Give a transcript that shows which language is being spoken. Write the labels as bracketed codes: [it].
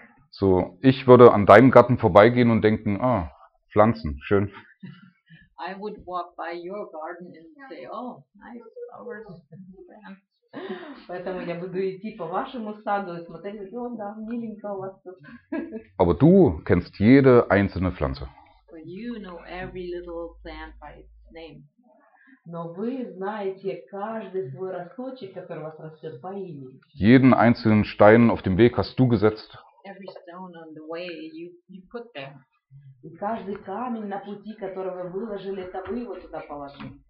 [de] So, ich würde an deinem Garten vorbeigehen und denken, ah, Pflanzen, schön. [en] I would walk by your garden and say, oh, nice flowers. [ru] Поэтому я буду идти по вашему саду и смотреть, о, да, миленько у вас тут. [de] Aber du kennst jede einzelne Pflanze. [en] But you know every little plant by its name. [ru] Но вы знаете каждый свой росточек, который у вас растет по имени. [de] Jeden einzelnen Stein auf dem Weg hast du gesetzt. [en] Every stone on the way you put there. [ru] И каждый камень на пути, который вы выложили, это вы его туда положили.